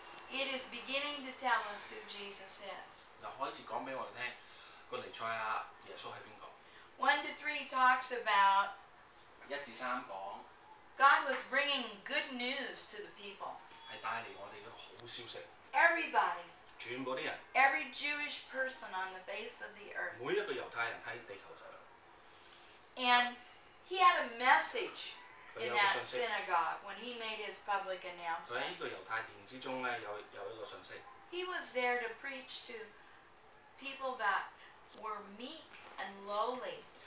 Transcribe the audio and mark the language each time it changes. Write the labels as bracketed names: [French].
[English] It is beginning to tell us who Jesus is. [Chinese] 就開始告訴我們, 那個彌賽亞, 耶穌是誰? [English] 1-3 talks about [Chinese] 1-3講, [English] God was bringing good news to the people. [Chinese] 是帶來我們的好消息。 [English] Everybody. [Chinese] 全部的人, [English] every Jewish person on the face of the earth. [Chinese] 每一個猶太人在地球上。 [English] And he had a message in that synagogue when he made his public announcement. [Chinese] 在一個猶太殿之中呢,有一個訊息。 [English] He was there to preach to people that were meek and lowly.